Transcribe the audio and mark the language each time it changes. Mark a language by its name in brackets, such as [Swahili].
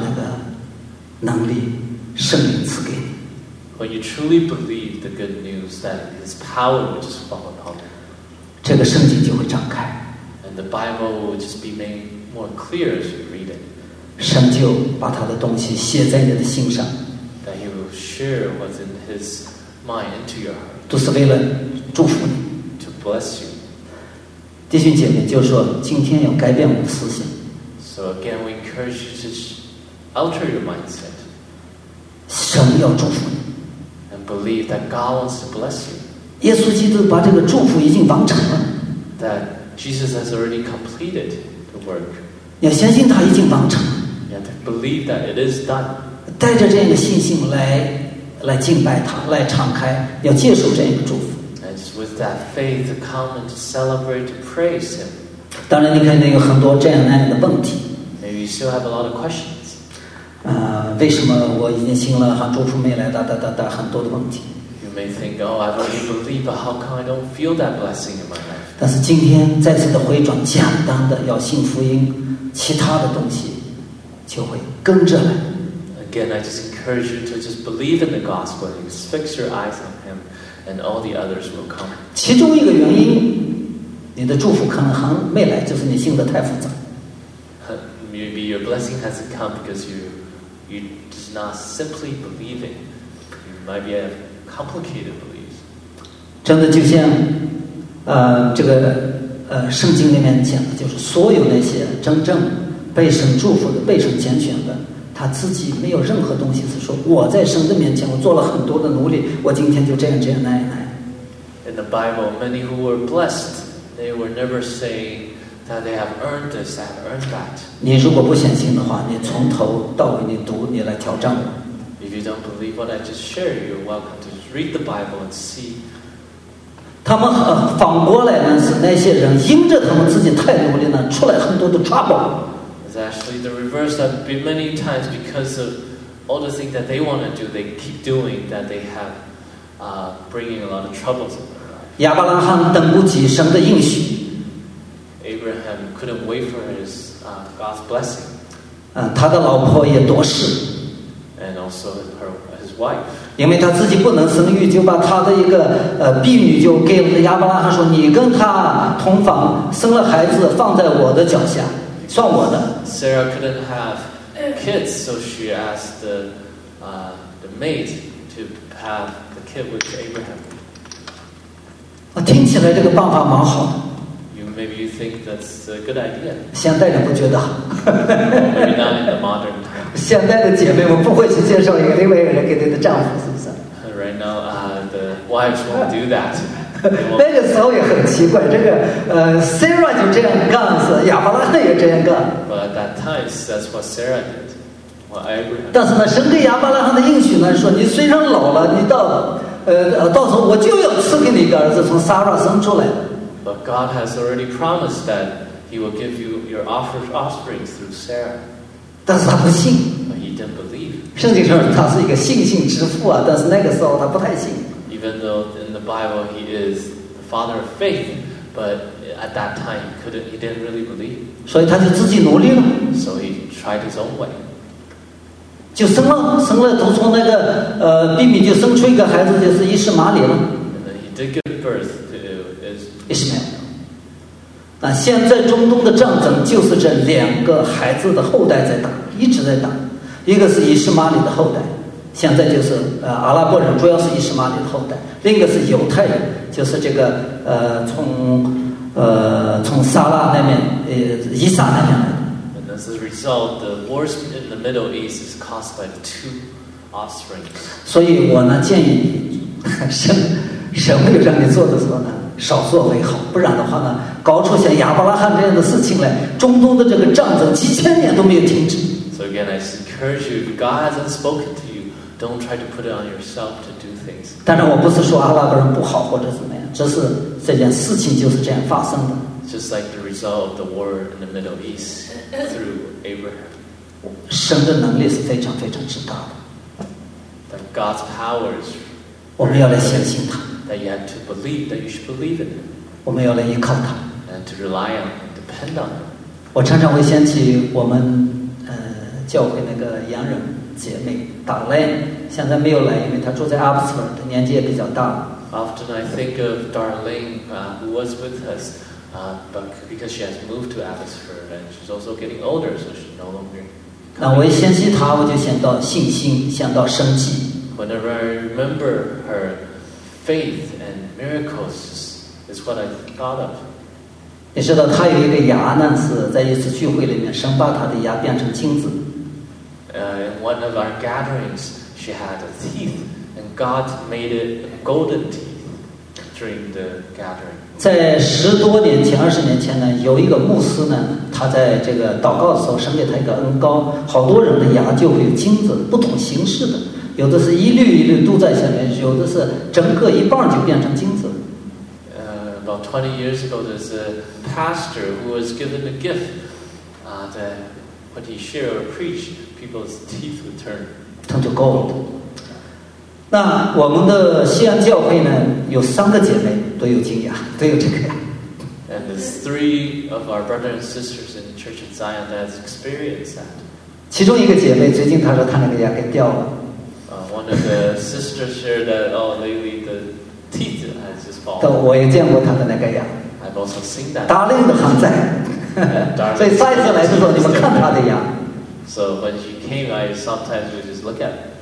[English] Is it just about the good news? When you truly believe the good news, that His power will just fall upon you. [Chinese] 这个圣经就会张开 [English] And the Bible will just be made more clear as you read it. [Chinese] 神就把他的东西写在你的心上 [English] That He will share what's in His mind into your heart. [Chinese] 都是为了祝福你 [English] To bless you. [Chinese] 弟兄姐妹就说今天要改变我的思想 [English] So again we encourage you to alter your mindset [Chinese] 神要祝福你 [English] And believe that God wants to bless you [Chinese] 耶稣基督把这个祝福已经完成了 [English] That Jesus has already completed the work [Chinese] 你要相信他已经完成了 [English] And believe that it is done [Chinese] 带着这样的信心来敬拜他，来敞开，要接受这样一个祝福。 [English] It's with that faith to come and to celebrate to praise Him. [Chinese] 当然，你肯定有很多这样那样的问题。 [English] Maybe you still have a lot of questions. [Chinese] 为什么我已经信了，祝福没来？很多的问题。 [English] You may think, oh, I've already believed, but how come I don't feel that blessing in my life? [Chinese] 但是今天再次的回转，简单的要信福音，其他的东西就会跟着来。 [English] Again, I just encourage you to just believe in the gospel. You just fix your eyes on Him, and all the others will come. [Chinese] 其中一个原因，你的祝福可能还没来，就是你信的太复杂。 [English] Maybe your blessing hasn't come because you just not simply believing. You might be a complicated belief. [Chinese] 真的就像，这个圣经里面讲的，就是所有那些真正被神祝福的、被神拣选的。他自己没有任何东西是说我在神的面前我做了很多的努力我今天就这样这样那样那样 [English] In the Bible, many who were blessed, they were never saying that they have earned this, have earned that. [Chinese] 你如果不相信的话你从头到尾你读你来挑战我 [English] If you don't believe what I just share, you're welcome to read the Bible and see. [Chinese] 他们反过来呢是那些人因着他们自己太努力呢出来很多的 trouble. [English] Actually, the reverse that many times because of all the things that they want to do, they keep doing that they have bringing a lot of troubles in their life. [Chinese] 亚伯拉罕等不及神的应许。 [English] Abraham couldn't wait for his God's blessing. [Chinese] 他的老婆也多事。 [English] And also his wife. [Chinese] 因为他自己不能生育，就把他的一个婢女就给了亚伯拉罕说：“你跟他同房，生了孩子放在我的脚下。” 算我的 [English] Sarah couldn't have kids so she asked the maid to have the kid with Abraham [Chinese] 听起来这个办法蛮好的 [English] maybe you think that's a good idea [Chinese] 现代人不觉得好 [English] maybe not in the modern time [Chinese] 现代的姐妹们不会去接受一个另外一个人给你的丈夫是不是 [English] right now the wives won't do that [Chinese] 那个时候也很奇怪，这个Sarah 就这样干，是亚伯拉罕也这样干。 [English] But at that time, that's what Sarah did. What Abraham. [Chinese] 但是呢，神给亚伯拉罕的应许呢，说你虽然老了，你到时候我就要赐给你一个儿子，从 Sarah 生出来。 [English] But God has already promised that He will give you your offspring through Sarah. [Chinese] 但是他不信。 [English] But he didn't believe. [Chinese] 圣经上他是一个信心之父啊，但是那个时候他不太信。 [English] Even though in the Bible he is the father of faith, but at that time he didn't really believe. [Chinese] 所以他就自己努力了。 [English] So he tried his own way. [Chinese] 就生了，生了，从那个秘密就生出一个孩子，就是伊什玛利了。 [English] And then he did give birth to Ishmael. [Chinese] 那现在中东的战争就是这两个孩子的后代在打，一直在打。一个是伊什玛利的后代，现在就是阿拉伯人，主要是伊什玛利的后代；另一个是犹太人，就是这个从撒拉那边伊撒那边来的。 [English] And as a result, the wars in the Middle East is caused by the two offspring. [Chinese] 所以我呢建议你，神没有让你做的时候呢，少做为好，不然的话呢，搞出像亚伯拉罕这样的事情来，中东的这个战争几千年都没有停止。 [English] So again, I encourage you, if God hasn't spoken to you, don't try to put it on yourself to do things. [Chinese] 当然我不是说阿拉伯人不好或者怎么样，只是这件事情就是这样发生的。 [English] Just like the result of the war in the Middle East through Abraham. [Chinese] 神的能力是非常非常之大的。 [English] That God's power is [Chinese] 我们要来相信他。 [English] That you have to believe, that you should believe in him. [Chinese] 我们要来依靠他。 [English] And to rely on him, depend on him. [Chinese] 我常常会想起我们教会那个洋人姐妹达莱，现在没有来，因为她住在 Oxford， 她年纪也比较大。 [English] Often I think of Darlene, who was with us, but because she has moved to Oxford and she's also getting older, so she's no longer. [Chinese] 那我一想起她，我就想到信心，想到生机。 [English] Whenever I remember her faith and miracles, is what I thought of. [Chinese] 你知道他有一个牙呢，是在一次聚会里面，神把他的牙变成金子。 [English] In one of our gatherings, she had a teeth, and God made it a golden teeth during the gathering. [Chinese] 在十多年前，二十年前呢，有一个牧师呢，他在这个祷告的时候，神给他一个恩膏，好多人的牙就会有金子，不同形式的，有的是一粒一粒都在下面，有的是整个一半就变成金子。 [English] About 20 years ago, there's a pastor who was given a gift that when he shared or preached, people's teeth would turn to gold. [Chinese] 那我们的西安教会呢，有三个姐妹都有金牙，都有这个牙。 [English] And there's three of our brothers and sisters in the church of Zion that has experienced that. [Chinese] 其中一个姐妹最近她说她那个牙给掉了。 [English] One of the sisters shared that, oh, lately the teeth has just fallen. [Chinese] 但我也见过他的那个牙。 [English] I've also seen that. [Chinese] 达令的还在。所以再次来的时候，你们看他的牙。 [English] So when she came, I sometimes would just look at it.